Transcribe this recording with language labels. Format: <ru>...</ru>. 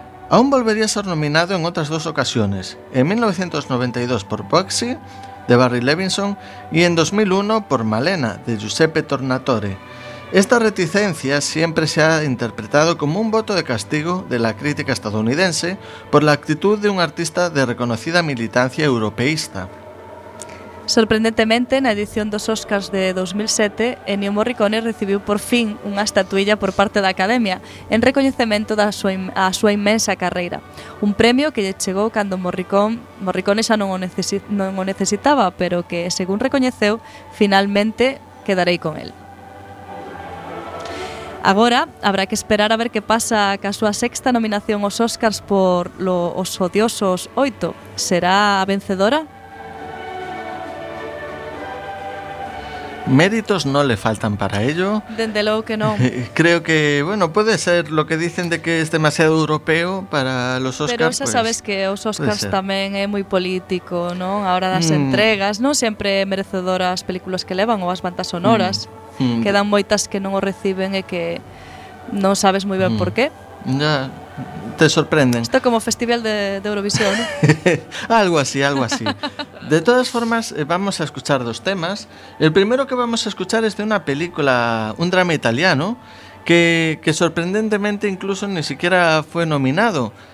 <es>Aún volvería a ser nominado en otras 2 ocasiones, en 1992 por Bugsy, de Barry Levinson, y en 2001 por Malena, de Giuseppe Tornatore. Esta reticencia siempre se ha interpretado como un voto de castigo de la crítica estadounidense por la actitud de un artista de reconocida militancia europeísta.</es> <gl>Sorprendentemente, na edición dos Oscars de 2007, Ennio Morricone recibiu por fin unha estatuilla por parte da Academia en recoñecemento da súa, a súa inmensa carreira. Un premio que lle chegou cando Morricone xa non o necesitaba, pero que, según recoñeceu, finalmente quedarei con él. Agora, habrá que esperar a ver que pasa ca súa 6ª nominación aos Oscars por Os Odiosos 8. Será a vencedora?</gl> <es>Méritos no le faltan para ello.</es> <gl>Dende logo que non.</gl> <es>Creo que, bueno, puede ser lo que dicen de que es demasiado europeo para los Oscars.</es> <gl>Pero xa pues, sabes que os Oscars tamén é moi político, non? A hora das entregas, non? Sempre merecedoras películas que levan ou as bandas sonoras. Quedan moitas que non o reciben e que non sabes moi ben por qué.</gl> <es>Ya, te sorprenden.</es> <gl>Isto como festival de Eurovisión, ¿no? algo así.</gl> <es>De todas formas, vamos a escuchar 2 temas. El primero que vamos a escuchar es de una película, un drama italiano, que sorprendentemente incluso ni siquiera fue nominado.</es>